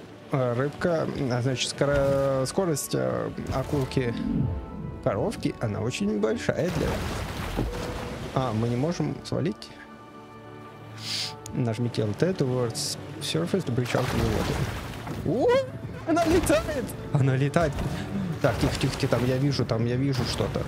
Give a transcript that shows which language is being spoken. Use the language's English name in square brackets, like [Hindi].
[Russian] Рыбка, значит, скорость акулки коровки, она очень большая для... А, мы не можем свалить... Нажмите [English] LT towards surface to breach out of the water. [Russian] Она летает! Она летает! Так, тихо-тихо-тихо, там я вижу, что-то.